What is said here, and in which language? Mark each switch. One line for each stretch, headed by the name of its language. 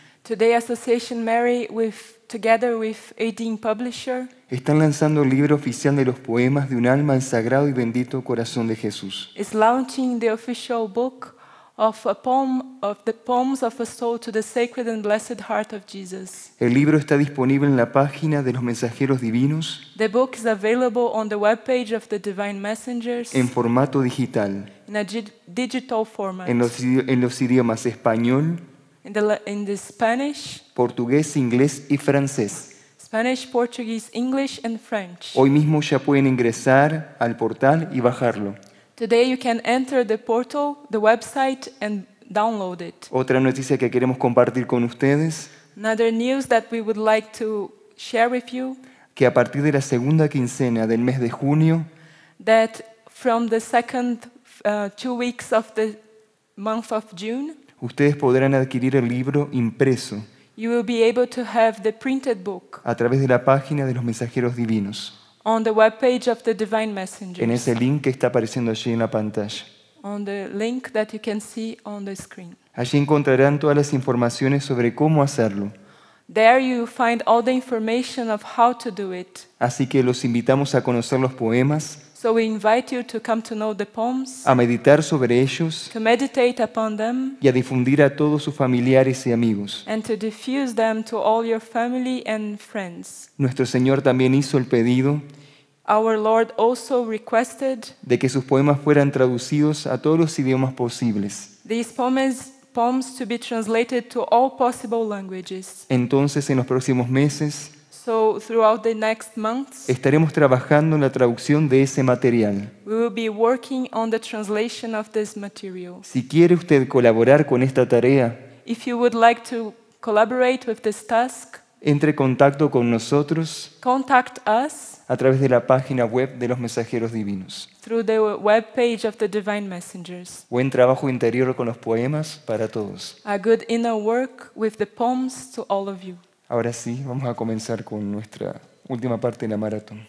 English: today Association Mary with together with Edin Publisher,
Spanish: están lanzando el libro oficial de los poemas de un alma al Sagrado y Bendito Corazón de Jesús.
English: Is launching the official book of a poem of the poems of a soul to the Sacred and Blessed Heart of Jesus.
Spanish: El libro está disponible en la página de los Mensajeros Divinos.
English: The book is available on the webpage of the Divine Messengers.
Spanish: En formato digital.
English: In a digital format.
Spanish: En los idiomas español.
English: In the Spanish,
Spanish: portugués, inglés y francés.
English: Spanish, Portuguese, English and French.
Spanish: Hoy mismo ya pueden ingresar al portal y bajarlo.
English: Today you can enter the portal, the website and download it.
Spanish: Otra noticia que queremos compartir con ustedes.
English: Another news that we would like to share with you.
Spanish: Que a partir de la segunda quincena del mes de junio.
English: That from the second two weeks of the month of June.
Spanish: Ustedes podrán adquirir el libro impreso.
English: You will be able to have the printed book.
Spanish: A través de la página de los Mensajeros Divinos.
English: On the webpage of the Divine Messengers.
Spanish: En ese link que está apareciendo allí en la pantalla.
English: On the link that you can see on the screen.
Spanish: Allí encontrarán todas las informaciones sobre cómo hacerlo.
English: There you find all the information of how to do it.
Spanish: Así que los invitamos a conocer los poemas.
English: So we invite you to come to know the poems.
Spanish: A meditar sobre ellos.
English: To meditate upon them.
Spanish: Y a difundir a todos sus familiares y amigos.
English: And to diffuse them to all your family and friends.
Spanish: Nuestro Señor también hizo el pedido.
English: Our Lord also requested.
Spanish: De que sus poemas fueran traducidos a todos los idiomas posibles.
English: These poems to be translated to all possible languages.
Spanish: Entonces, en los próximos meses.
English: So throughout the next months,
Spanish: estaremos trabajando en la traducción de ese material.
English: We will be working on the translation of this material.
Spanish: Si quiere usted colaborar con esta tarea,
English: if you would like to collaborate with this task,
Spanish: entre en contacto con nosotros,
English: contact us,
Spanish: a través de la página web de los Mensajeros Divinos,
English: through the web page of the Divine Messengers.
Spanish: Buen trabajo interior con los poemas para todos.
English: A good inner work with the poems to all of you.
Spanish: Ahora sí, vamos a comenzar con nuestra última parte de la maratón.